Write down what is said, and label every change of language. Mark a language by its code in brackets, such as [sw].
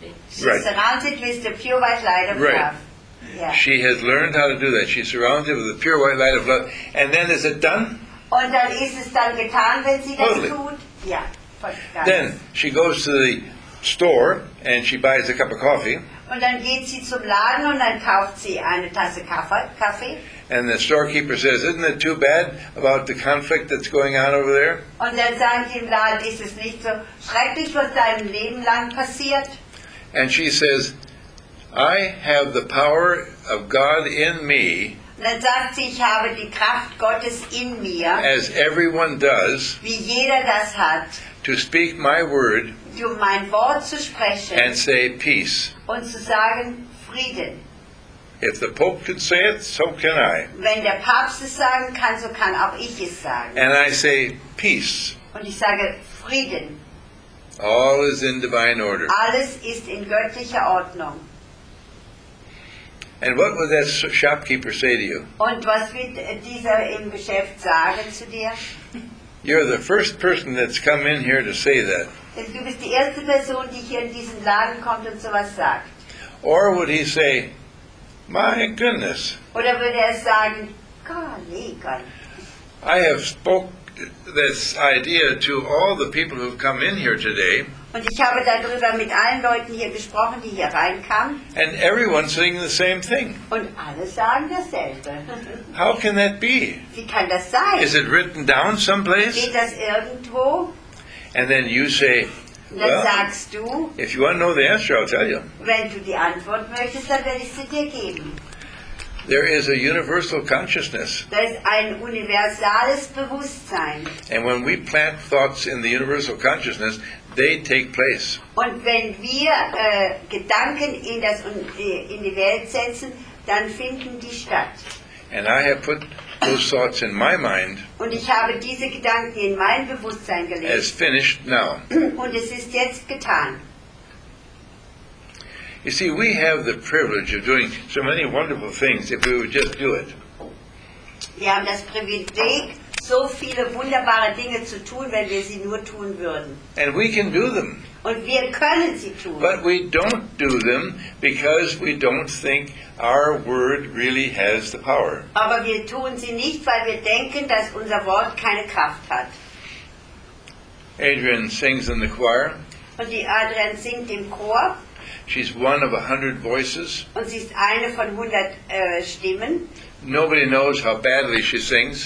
[en] She's surrounded with the pure white light of right. love. Yeah. She has learned how to do that. She's surrounded with the pure white light of love. And then is it done? [de] Und dann ist es dann getan, wenn sie [en] totally. [de] Das tut? Ja. [en] Then she goes to the store and she buys a cup of coffee. [de] Und dann geht sie zum Laden und dann kauft sie eine Tasse Kaffee. [en] And the storekeeper says, isn't it too bad about the conflict that's going on over there? [de] Und dann sagt sie im Laden, ist es nicht so schrecklich, was dein Leben lang passiert? [en] And she says, I have the power of God in me. [de] Und dann sagt sie, ich habe die Kraft Gottes in mir. [en] As everyone does. [de] Wie jeder das hat. [en] To speak my word. [de] Um mein Wort zu sprechen. [en] And say peace. [de] Und zu sagen, Frieden. [en] If the Pope can say it, so can I. [de] Wenn der Papst es sagen kann, so kann auch ich es sagen. [en] And I say peace. [de] Und ich sage Frieden. [en] All is in divine order. [de] Alles ist in göttlicher Ordnung. [en] And what would that shopkeeper say to you? [de] Und was wird dieser im Geschäft sagen zu dir? [en] You're the first person that's come in here to say that. [de] Du bist die erste Person, die hier in diesen Laden kommt und sowas sagt. [en] Or would he say, my goodness. [de] Oder würde sagen, [en] golly, golly. I have spoke this idea to all the people who have come in here today. [de] Und ich habe darüber mit allen Leuten hier gesprochen, die hier reinkamen. [en] And everyone's saying the same thing. [de] Und alle sagen dasselbe. [en] How can that be? [de] Wie kann das sein? [en] Is it written down someplace? [de] Steht das irgendwo? [en] And then you say, well, [de] dann sagst du, [en] if you want to know the answer, I'll tell you. [de] Wenn du die Antwort möchtest, dann werde ich sie dir geben. [en] There is a universal consciousness. [de] Da ist ein universales Bewusstsein. [en] And when we plant thoughts in the universal consciousness, they take place. [de] Und wenn wir Gedanken in die Welt setzen, dann finden die statt. [en] And I have put those thoughts in my mind. [de] Und ich habe diese Gedanken in mein Bewusstsein gelegt. [en] As finished now. [de] Und es ist jetzt getan. [en] You see, we have the privilege of doing so many wonderful things if we would just do it. [de] Wir haben das Privileg, so viele wunderbare Dinge zu tun, wenn wir sie nur tun würden. [en] And we can do them. [de] Und wir können sie tun. [en] But we don't do them because we don't think our word really has the power. [de] Aber wir tun sie nicht, weil wir denken, dass unser Wort keine Kraft hat. [en] Adrian sings in the choir. [de] Und die Adrian singt im Chor. [en] She's one of 100 voices. [de] Und sie ist eine von 100 Stimmen. [en] Nobody knows how badly she sings.